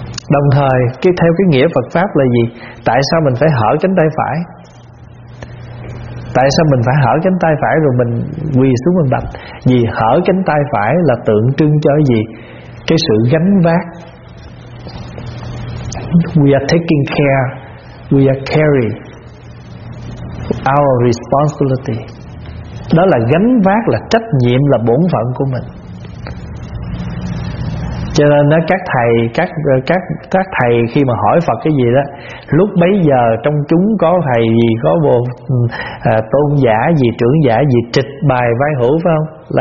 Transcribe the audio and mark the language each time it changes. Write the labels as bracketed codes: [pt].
[vi] Đồng thời cái theo cái nghĩa Phật pháp là gì? Tại sao mình phải hở cánh tay phải? Tại sao mình phải hở cánh tay phải rồi mình quỳ xuống mình bạch? Vì hở cánh tay phải là tượng trưng cho gì? Cái sự gánh vác. [en] We are taking care, we are carrying our responsibility. [vi] Đó là gánh vác, là trách nhiệm, là bổn phận của mình. Cho nên đó, các thầy khi mà hỏi Phật cái gì đó, lúc bấy giờ trong chúng có thầy gì, có bồ tôn giả gì, trưởng giả gì trịch bài vai hữu, phải không?